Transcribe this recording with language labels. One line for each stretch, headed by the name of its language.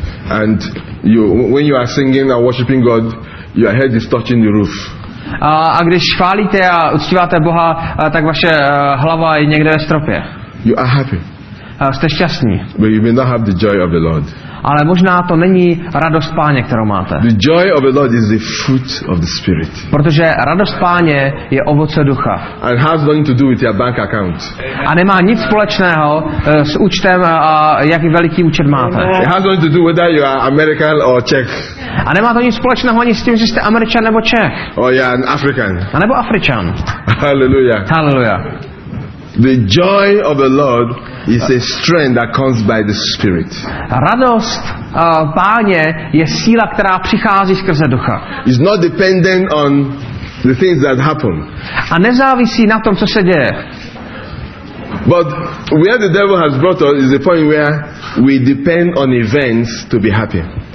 English: And you, when you are singing and worshiping God, your head is touching the roof.
Czech: A když chválíte a uctíváte Boha, tak vaše hlava je někde ve stropě.
English: You are happy.
Czech: Jste šťastní.
English: But you may not have the joy of the Lord.
Czech: Ale možná to není radost Páně, kterou máte.
English: The joy of the Lord is the fruit of the Spirit.
Czech: Protože radost Páně je ovoce ducha.
English: And has nothing to do with your bank account.
Czech: A nemá nic společného s účtem a jak veliký účet máte.
English: It has nothing to do whether you are American or Czech.
Czech: A nemá to nic společného ani s tím, že jste Američan nebo Čech.
English: Oh yeah, an African.
Czech: A nebo Afričan.
English: Hallelujah. Hallelujah. The joy of the Lord is a strength that comes by the Spirit.
Czech: Radost Páně je síla, která přichází skrze ducha.
English: It's not dependent on the things that happen.
Czech: A nezávisí na tom, co se děje.
English: But where the devil has brought us is the point where we depend on events to be happy.